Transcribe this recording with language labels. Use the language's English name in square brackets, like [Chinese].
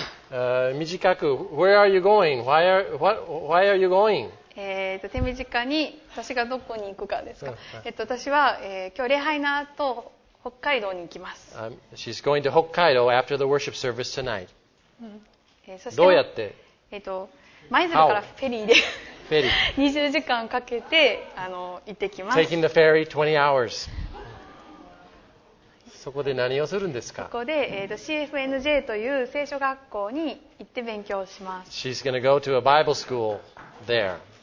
[English] And, 短く、Where are you going? Why are you going? [Japanese] 手短に私がどこに行くかですか。私は、今日礼拝の後北海道に行きます。 [English] She's going to Hokkaido after the worship service tonight. [Japanese] どうやって？舞鶴からフェリーで、フェリー。 20時間かけて行ってきます。 [English] Taking the ferry 20 hours. [Japanese] そこで何をするんですか？そこで、CFNJ という聖書学校に行って勉強します。 [English] She's going to go to a Bible school there.